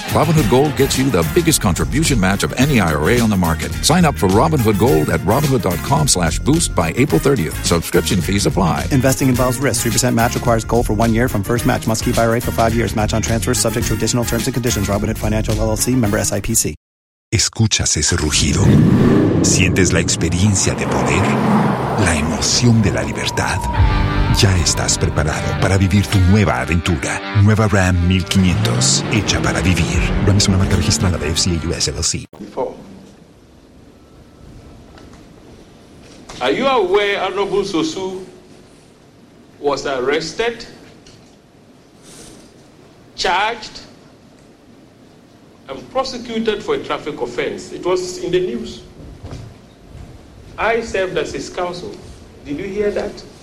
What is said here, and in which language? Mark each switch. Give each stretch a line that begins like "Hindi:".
English: Robinhood Gold gets you the biggest contribution match of any IRA on the market. Sign up for Robinhood Gold at Robinhood.com/boost by April 30th. Subscription fees apply. Investing involves risk. 3% match requires gold for 1 year from first match. Must keep IRA for 5 years. Match on transfers subject to additional terms and conditions. Robinhood Financial LLC. Member SIP.
Spanish: ¿Escuchas ese rugido? ¿Sientes la experiencia de poder? ¿La emoción de la libertad? Ya estás preparado para vivir tu nueva aventura. Nueva Ram 1500, hecha para vivir. Ram es una marca registrada de FCA US LLC.
English: Are you aware Honorable Sosu was arrested, charged, and prosecuted for a traffic offense? It was in the news. I served as his counsel. Did you hear that?